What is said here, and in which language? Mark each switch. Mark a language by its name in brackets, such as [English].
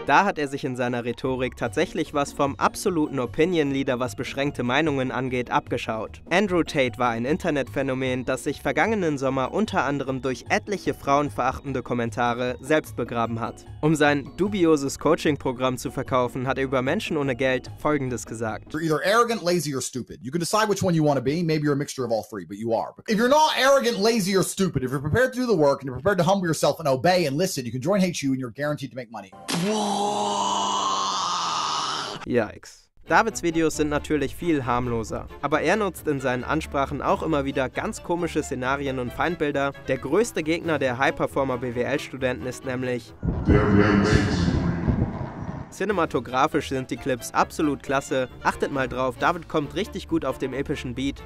[German] Da hat er sich in seiner Rhetorik tatsächlich was vom absoluten Opinion-Leader, was beschränkte Meinungen angeht, abgeschaut. Andrew Tate war ein Internetphänomen, das sich vergangenen Sommer unter anderem durch etliche frauenverachtende Kommentare selbst begraben hat. Um sein dubioses Coaching-Programm zu verkaufen, hat er über Menschen ohne Geld Folgendes gesagt. [English] You're either arrogant, lazy or stupid. You can decide which one you want to be. Maybe you're a mixture of all three, but you are. If you're not arrogant, lazy or stupid, if you're prepared to do the work and you're prepared to humble yourself and obey and listen, you can join HU and you're guaranteed to make money. Yikes. [German] Davids Videos sind natürlich viel harmloser. Aber er nutzt in seinen Ansprachen auch immer wieder ganz komische Szenarien und Feindbilder. Der größte Gegner der High-Performer-BWL-Studenten ist nämlich der Mensch. Cinematografisch sind die Clips absolut klasse. Achtet mal drauf, David kommt richtig gut auf dem epischen Beat.